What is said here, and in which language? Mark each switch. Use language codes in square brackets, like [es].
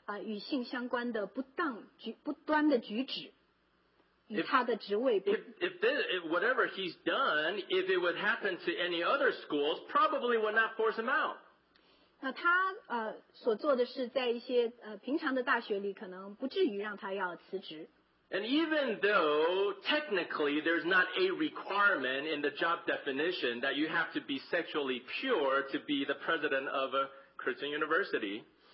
[zh] 与性相关的不端的举止，与他的职位不。 [en] If whatever he's done, if it would happen to any other schools, probably would not force him out. [zh] 那他所做的是在一些平常的大学里，可能不至于让他要辞职。 [en] And even though technically there's not a requirement in the job definition that you have to be sexually pure to be the president of a Christian university.